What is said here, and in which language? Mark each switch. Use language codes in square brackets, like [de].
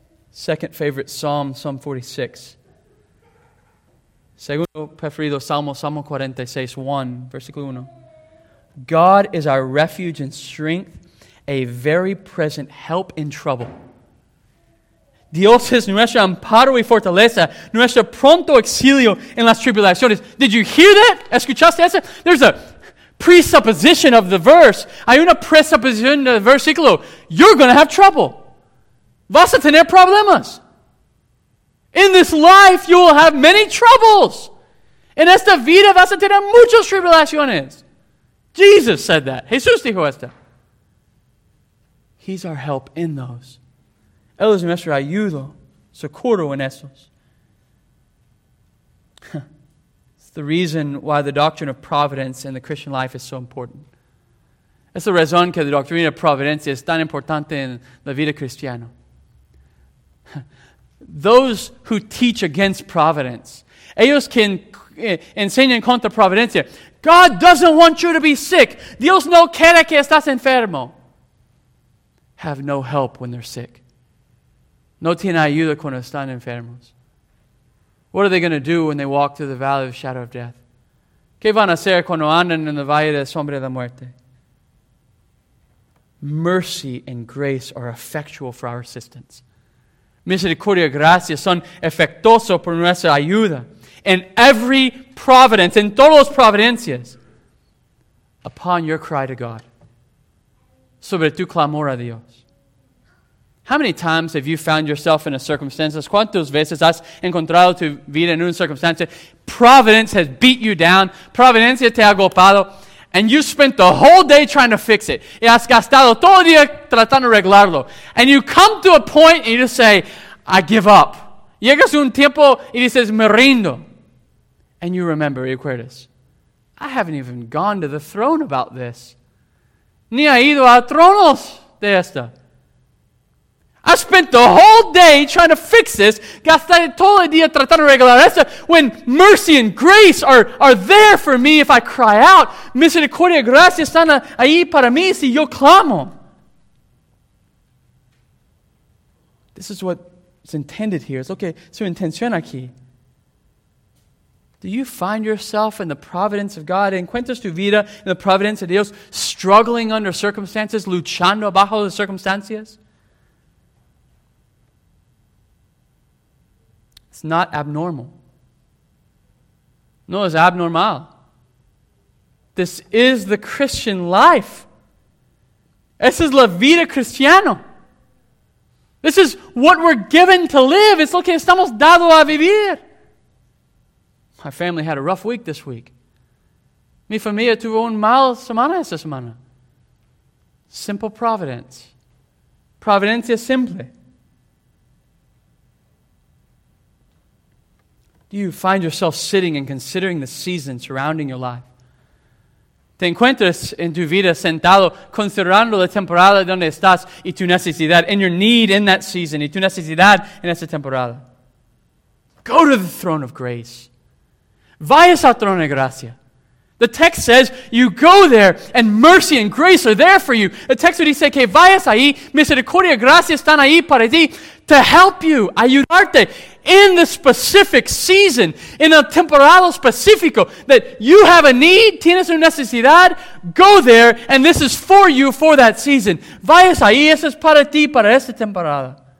[en] Second favorite psalm, Psalm 46. [es] Segundo preferido salmo, Salmo 46, 1, versículo 1. [en] God is our refuge and strength, a very present help in trouble. [es] Dios es nuestro amparo y fortaleza, nuestro pronto auxilio en las tribulaciones. [en] Did you hear that? [es] ¿Escuchaste eso? [en] There's a presupposition of the verse. [es] Hay una presupposición del versículo. [en] You're going to have trouble. [es] Vas a tener problemas. [en] In this life, you will have many troubles. [es] En esta vida, vas a tener muchas tribulaciones. [en] Jesus said that. [es] Jesús dijo esto. [en] He's our help in those. [es] Él es nuestro ayudo, socorro en esos. [en] It's the reason why the doctrine of providence in the Christian life is so important. [es] Es la razón que la doctrina de providencia es tan importante en la vida cristiana. [en] Those who teach against providence, [es] ellos que enseñan contra providencia, [en] God doesn't want you to be sick. [es] Dios no quiere que estás enfermo. [en] Have no help when they're sick. [es] No tiene ayuda cuando están enfermos. [en] What are they going to do when they walk through the valley of the shadow of death? [es] ¿Qué van a hacer cuando andan en el valle de sombra de la muerte? [en] Mercy and grace are effectual for our assistance. [es] Misericordia y gracia son efectuosos por nuestra ayuda. [en] In every providence, in [es] todos los providencias, [en] upon your cry to God, [es] sobre tu clamor a Dios. [en] How many times have you found yourself in a circumstance? [es] ¿Cuántas veces has encontrado tu vida en una circunstancia? [en] Providence has beat you down. [es] Providencia te ha golpeado. [en] And you spent the whole day trying to fix it. [es] Y has gastado todo el día tratando de arreglarlo. [en] And you come to a point and you just say, I give up. [es] Llegas a un tiempo y dices, me rindo. [en] And you remember, [es] recuerdas, [en] I haven't even gone to the throne about this. [es] Ni ha ido a tronos de esta. [en] I spent the whole day trying to fix this. [es] Gastaré todo el día tratando de arreglar esto. [en] When mercy and grace are there for me if I cry out. [es] Misericordia y gracia están ahí para mí si yo clamo. [en] This is what's intended here. It's okay. [es] Su intención aquí. [en] Do you find yourself in the providence of God? [es] ¿Encuentras tu vida en la providencia de Dios? [en] Struggling under circumstances, [es] luchando bajo las circunstancias. [en] Not abnormal. [es] No es abnormal. [en] This is the Christian life. [es] Esa es la vida cristiana. [en] This is what we're given to live. [es] Es lo que estamos dados a vivir. [en] My family had a rough week this week. [es] Mi familia tuvo un mal semana esta semana. [en] Simple providence. [es] Providencia simple. [en] You find yourself sitting and considering the season surrounding your life. [es] Te encuentras en tu vida sentado considerando la temporada donde estás y tu necesidad, [en] and your need in that season [es] y tu necesidad en esa temporada. [en] Go to the throne of grace. [es] Vayas al trono de gracia. [en] The text says you go there and mercy and grace are there for you. The text would say [es] que vayas ahí, misericordia y gracia están ahí para ti [en] to help you, [es] ayudarte. [en] in the specific season, [es] en el temporal específico, [en] that you have a need, [es] tienes una necesidad, [en] go there, and this is for you for that season. [es] Vayas ahí, eso es para ti, para esta temporada.